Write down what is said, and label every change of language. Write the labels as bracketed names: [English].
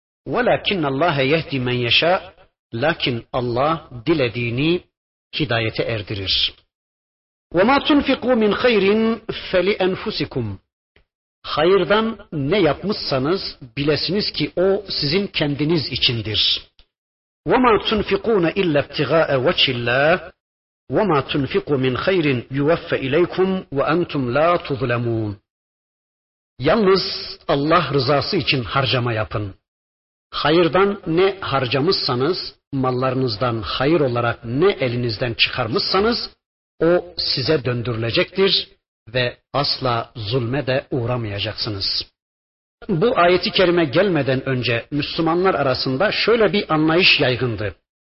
[Arabic] وَلَكِنَّ اللّٰهَ يَهْدِي مَنْ يَشَاءَ [Turkish] Lakin Allah dilediğini hidayete erdirir. [Arabic] وَمَا تُنْفِقُوا مِنْ خَيْرٍ فَلِأَنْفُسِكُمْ [Turkish] Hayırdan ne yapmışsanız bilesiniz ki o sizin kendiniz içindir. [Arabic] وَمَا تُنْفِقُونَ اِلَّا اَبْتِغَاءَ وَجْهِ اللّٰهِ وَمَا تُنْفِقُوا مِنْ خَيْرٍ يُوَفَّ اِلَيْكُمْ وَاَنْتُمْ لَا تُظْلَمُونَ [Turkish] Yalnız Allah rızası için harcama yapın. Hayırdan ne harcamışsanız, mallarınızdan hayır olarak ne elinizden çıkarmışsanız, o size döndürülecektir ve asla zulme de uğramayacaksınız. Bu ayeti kerime gelmeden önce Müslümanlar arasında şöyle bir anlayış yaygındı.